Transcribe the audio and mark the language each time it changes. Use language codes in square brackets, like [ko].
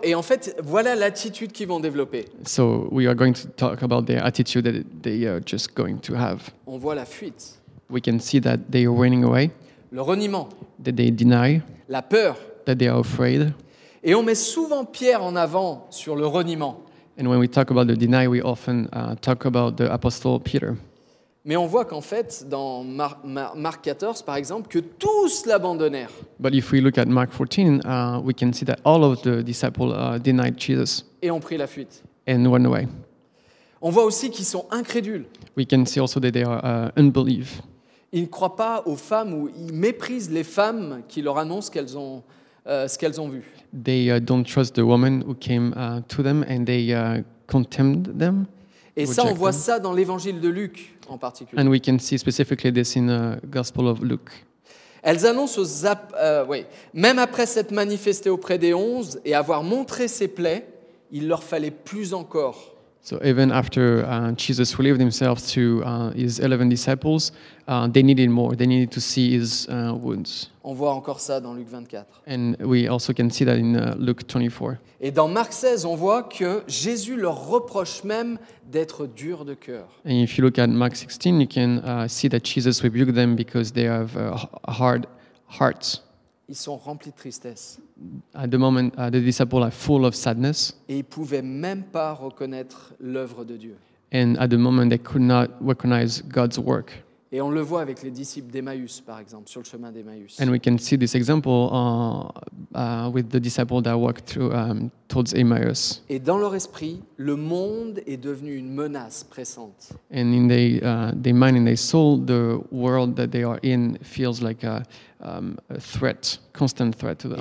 [fr] Et en fait, voilà l'attitude qu'ils vont développer. [en] So we are going to talk about the attitude that they are just going to have. [fr] On voit la fuite. [en] We can see that they are running away. [fr] Le reniement. [en] That they deny. [fr] La peur. [en] That they are afraid. [fr] Et on met souvent Pierre en avant sur le reniement. [en] And when we talk about the deny, we often talk about the apostle Peter. [fr] Mais on voit qu'en fait, dans Marc 14, par exemple, que tous l'abandonnèrent. [en] But if we look at Mark 14, we can see that all of the disciples denied Jesus. [fr] Et ont pris la fuite. [en] And went away. [fr] On voit aussi qu'ils sont incrédules. [en] We can see also that they are unbelief. [fr] Ils ne croient pas aux femmes ou ils méprisent les femmes qui leur annoncent qu'elles ont ce qu'elles ont vu. [en] They don't trust the woman who came to them and they condemned them. [fr] Et ça, on voit ça dans l'évangile de Luc, en particulier. [en] And we can see specifically this in the Gospel of Luke. [fr] Elles annoncent aux même après s'être manifestées auprès des onze et avoir montré ses plaies, il leur fallait plus encore. [en] So even after Jesus revealed himself to his 11 disciples, they needed more. They needed to see his wounds. [fr] On voit encore ça dans Luc 24. [en] And we also can see that in Luke 24. [fr] Et dans Marc 16, on voit que Jésus leur reproche même d'être dur de cœur. [en] And if you look at Mark 16, you can see that Jesus rebuked them because they have hard hearts. [fr] Ils sont remplis de tristesse. [en] At the moment, the disciples are full of sadness. [fr] Et ils pouvaient même pas reconnaître l'œuvre de Dieu. [en] And at the moment, they could not recognize God's work. [fr] Et on le voit avec les disciples d'Emmaüs, par exemple, sur le chemin d'Emmaüs. [en] And we can see this example with the disciples that walked through towards Emmaüs. [fr] Et dans leur esprit, le monde est devenu une menace pressante. [en] And in their mind and their soul, the world that they are in feels like a threat, constant threat to them.